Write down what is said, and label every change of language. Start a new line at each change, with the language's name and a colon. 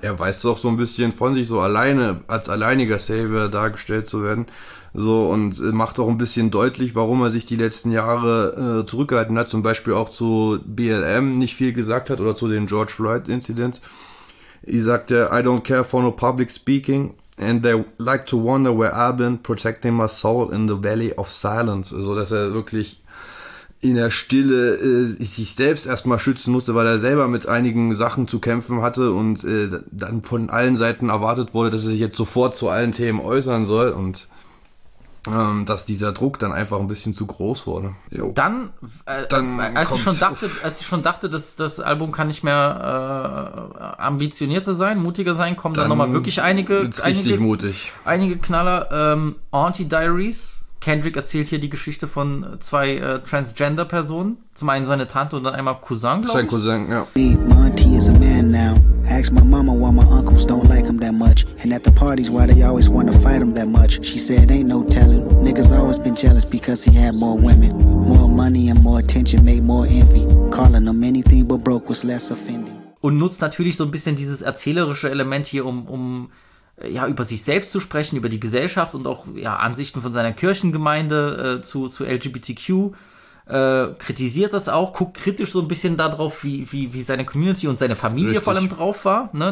German: Er weiß doch so ein bisschen von sich, so alleine, als alleiniger Savior dargestellt zu werden. So, und macht auch ein bisschen deutlich, warum er sich die letzten Jahre zurückgehalten hat. Zum Beispiel auch zu BLM nicht viel gesagt hat oder zu den George Floyd-Incidents. Er sagte,
English: I don't care for no public speaking. And they like to wonder where I've been protecting my soul in the valley of silence.
German: Also, dass er wirklich in der Stille sich selbst erstmal schützen musste, weil er selber mit einigen Sachen zu kämpfen hatte und dann von allen Seiten erwartet wurde, dass er sich jetzt sofort zu allen Themen äußern soll und dass dieser Druck dann einfach ein bisschen zu groß wurde. Jo. Als ich schon dachte, dass das Album kann nicht mehr ambitionierter sein, mutiger sein, kommen dann nochmal wirklich einige Knaller. Auntie Diaries. Kendrick erzählt hier die Geschichte von zwei Transgender-Personen. Zum einen seine Tante und dann einmal Cousin, glaube ich. Sein Cousin, ja.
English: Me, Monty is a man now. Ask my mama why my uncles don't like him that much. And at the parties why they always wanna fight him that much. She said ain't no telling. Niggas always been jealous because he had more women. More money and more attention made more envy. Calling him anything but broke was less offending.
German: Und nutzt natürlich so ein bisschen dieses erzählerische Element hier, um über sich selbst zu sprechen, über die Gesellschaft und auch Ansichten von seiner Kirchengemeinde zu LGBTQ, kritisiert das auch, guckt kritisch so ein bisschen darauf, wie seine Community und seine Familie richtig, vor allem drauf war, ne?